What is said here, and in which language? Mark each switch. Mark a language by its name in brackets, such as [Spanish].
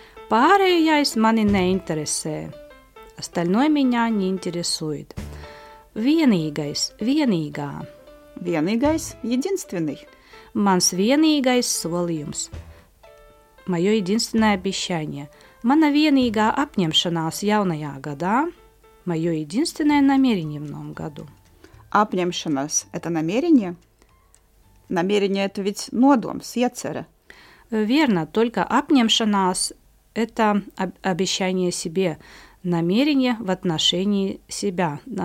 [Latvian] Pārējais mani neinteresē. [Russian] Остальное меня не интересует. [Latvian] Vienīgais, vienīgā. Vienīgais, единственный. Mans vienīgais solījums. [Russian] Моё единственное обещание. [Latvian] Mana vienīgā apņemšanās jaunajā gadā. [Russian] Моё единственное намерение в новом году. Apņemšanās – это намерение? Намерение – это ведь nodoms, iecere. Верно, только apņemšanās – это обещание себе, намерение в отношении себя.